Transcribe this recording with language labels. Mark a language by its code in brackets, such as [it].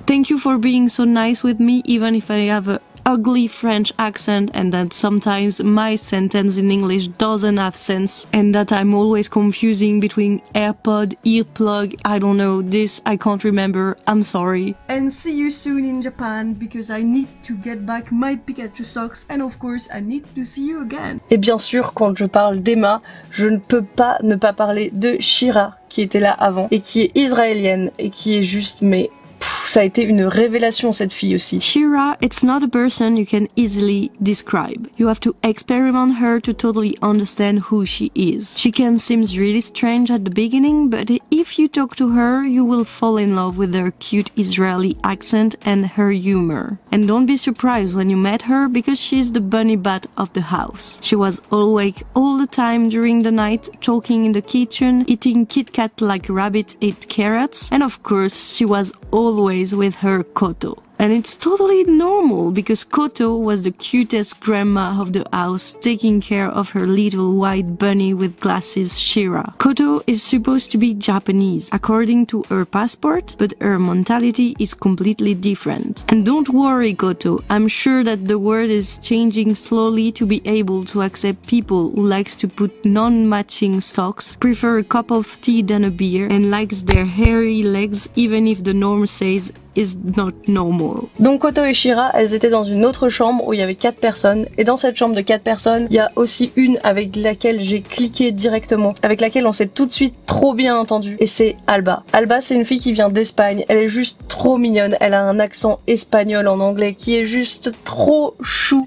[en] Thank you for being so nice with me, even if I have a ugly French accent and that sometimes my sentence in English doesn't have sense and that I'm always confusing between AirPod, earplug, I don't know, this I can't remember, I'm sorry. And see you soon in Japan because I need to get back my Pikachu socks and of course I need to see you again. [fr] Et bien sûr, quand je parle d'Emma, je ne peux pas ne pas parler de Shira qui était là avant et qui est israélienne et qui est juste mais... ça a été une révélation, cette fille aussi. [en] Shira, it's not a person you can easily describe. You have to experiment her to totally understand who she is. She can seem really strange at the beginning, but if you talk to her, you will fall in love with her cute Israeli accent and her humor. And don't be surprised when you met her, because she's the bunny bat of the house. She was awake all the time during the night, talking in the kitchen, eating Kit Kat like rabbit eat carrots, and of course she was always with her Koto. And it's totally normal, because Koto was the cutest grandma of the house, taking care of her little white bunny with glasses, Shira. Koto is supposed to be Japanese, according to her passport, but her mentality is completely different. And don't worry, Koto, I'm sure that the world is changing slowly to be able to accept people who likes to put non-matching socks, prefer a cup of tea than a beer, and likes their hairy legs, even if the norm says is not normal. [fr] Donc Koto et Shira, elles étaient dans une autre chambre où il y avait 4 personnes, et dans cette chambre de 4 personnes, il y a aussi une avec laquelle j'ai cliqué directement, avec laquelle on s'est tout de suite trop bien entendu, et c'est Alba. Alba, c'est une fille qui vient d'Espagne, elle est juste trop mignonne, elle a un accent espagnol en anglais qui est juste trop chou.